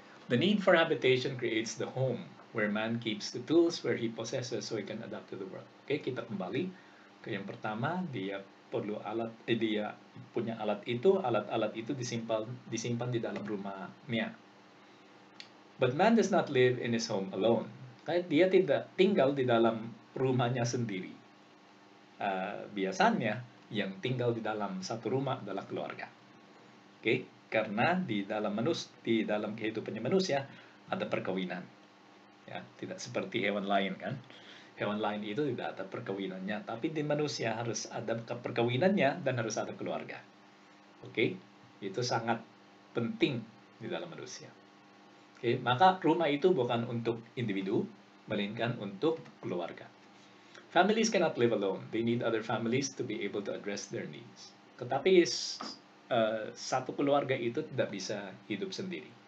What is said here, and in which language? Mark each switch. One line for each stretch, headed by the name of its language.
English: The need for habitation creates the home where man keeps the tools where he possesses so he can adapt to the world.
Indonesian: Oke, kita kembali ke yang pertama, dia perlu alat, dia punya alat itu, alat-alat itu disimpan di dalam rumahnya.
English: But man does not live in his home alone.
Indonesian: Kayak dia tidak tinggal di dalam rumahnya sendiri. Biasanya yang tinggal di dalam satu rumah adalah keluarga. Oke, karena di dalam kehidupannya manusia ada perkawinan. Ya, tidak seperti hewan lain, kan? Hewan lain itu tidak ada perkawinannya, tapi di manusia harus ada perkawinannya dan harus ada keluarga. Oke, itu sangat penting di dalam manusia. Oke, maka rumah itu bukan untuk individu, melainkan untuk keluarga.
English: Families cannot live alone. They need other families to be able to address their needs.
Indonesian: Tetapi satu keluarga itu tidak bisa hidup sendiri.